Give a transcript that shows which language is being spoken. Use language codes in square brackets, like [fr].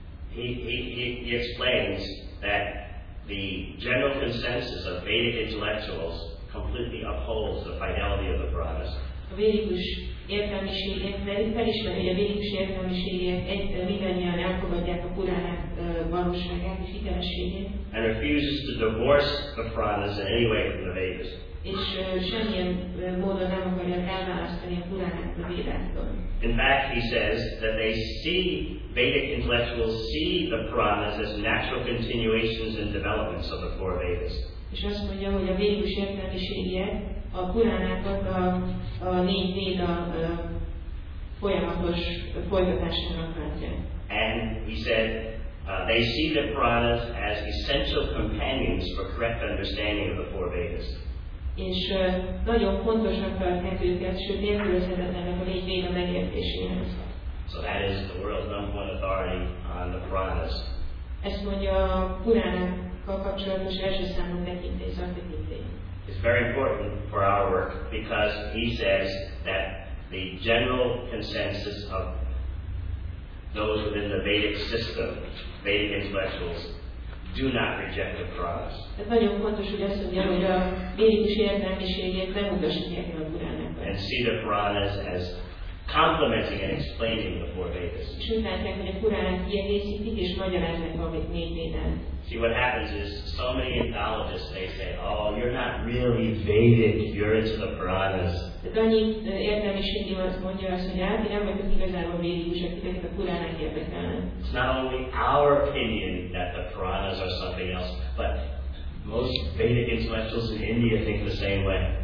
[en] He explains that the general consensus of Vedic intellectuals completely upholds the fidelity of the Puranas. [hu] Felismeri, hogy a védikus értelmiségiek mindannyian elfogadják a Puránák valóságát és hitelességét. [en] And refuses to divorce the Puranas in any way from the Vedas. [hu] És semmilyen módon nem akarják elválasztani a Puránát a Védáktól. [en] In fact, he says that they see, Vedic intellectuals see the Puranas as natural continuations and developments of the four Vedas. [hu] És azt mondja, hogy a védikus értelmiségiek a Puránákat a négy Véda folyamatos folytatásának látja. [en] And he said, they see the Puranas as essential companions for correct understanding of the four Vedas. [hu] És nagyon fontosnak tartják őket, sőt nélkülözhetetlenek a négy Véda megértéséhez. [en] So that is the world's number one authority on the Puranas. [hu] Ezt mondja a Puránákkal kapcsolatos első számú tekintély, szaktekintély. [en] It's very important for our work because he says that the general consensus of those within the Vedic system, Vedic intellectuals, do not reject the Puranas. [hu] Ez nagyon fontos, hogy azt mondja, hogy a védikus értelmiségiek nem utasítják a Puránákat. [en] And see the Puranas as complementing and explaining the four Vedas. [hu] És úgy látják, hogy a Puránát kiegészítik és magyaráznak a négy Védát. [en] See, what happens is so many Indologists, they say, oh, you're not really Vedic, you're into the Puranas. It's not only our opinion that the Puranas are something else, but most Vedic intellectuals in India think the same way.